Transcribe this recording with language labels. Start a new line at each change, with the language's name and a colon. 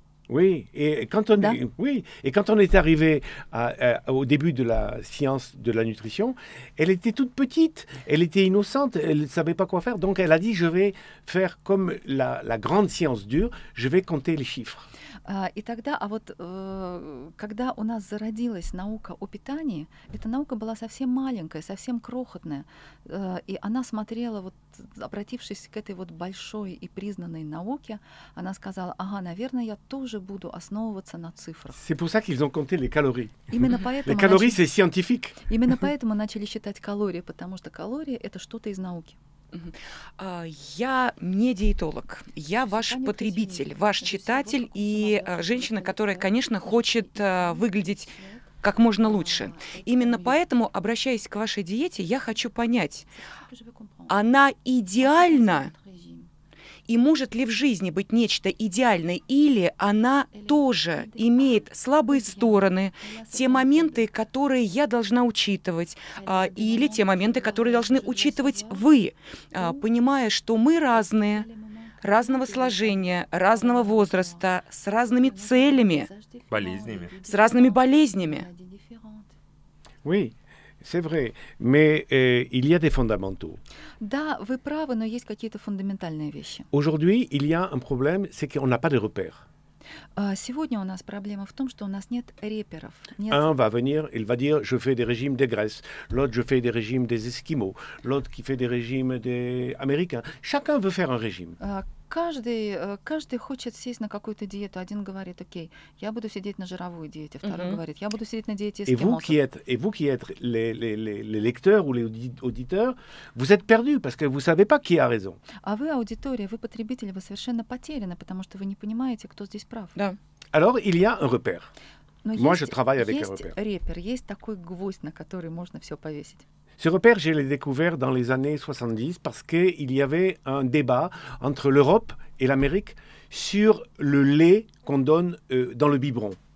French: Oui, et quand on est arrivé au début de la science de la nutrition, elle était toute petite, elle était innocente, elle ne savait pas quoi faire, donc elle a dit je vais faire comme la grande science dure, je vais compter les chiffres.
Russian: И тогда, а вот когда у нас зародилась наука о питании, эта наука была совсем маленькая, совсем крохотная, и она смотрела, вот, обратившись к этой вот большой и признанной науке, она сказала, ага, наверное, я тоже буду основываться на цифрах.
French: C'est pour ça qu'ils ont compté les calories.
Russian: Именно поэтому,
French: les calories, c'est scientifique.
Russian: Именно поэтому начали считать калории, потому что калории — это что-то из науки. Я не диетолог, я ваш потребитель, ваш читатель и женщина, которая, конечно, хочет выглядеть как можно лучше. Именно поэтому, обращаясь к вашей диете, я хочу понять, она идеальна и может ли в жизни быть нечто идеальное, или она тоже имеет слабые стороны, те моменты, которые я должна учитывать, или те моменты, которые должны учитывать вы, понимая, что мы разные, разного сложения, разного возраста, с разными целями, болезнями. С разными болезнями.
French: Oui. C'est vrai, mais il y a des fondamentaux.
Russian: Да, вы правы, но есть какие-то фундаментальные вещи.
French: Aujourd'hui, il y a un problème, c'est qu'on n'a pas de repères.
Russian: Сегодня у нас проблема в том, что у нас нет реперов.
French: Un va venir, il va dire, je fais des régimes des Grecs. L'autre, je fais des régimes des Esquimaux. L'autre qui fait des régimes des Américains. Chacun veut faire un régime.
Russian: Каждый хочет сесть на какую-то диету. Один говорит, окей, я буду сидеть на жировой диете. Второй говорит, я буду сидеть на диете эскимоса.
French: Et vous qui êtes les lecteurs ou les auditeurs, vous êtes perdus, parce que vous savez pas qui a raison.
Russian: А вы аудитория, вы потребители, вы совершенно потеряны, потому что вы не понимаете, кто здесь прав. Да.
French: Alors, il y a un repère.
Russian: Но
French: Moi,
Russian: есть,
French: je travaille avec un repère.
Russian: Есть такой гвоздь, на который можно все повесить.
French: Ce repère, je l'ai découvert dans les années 70 parce qu'il y avait un débat entre l'Europe et l'Amérique sur le lait qu'on donne dans le biberon.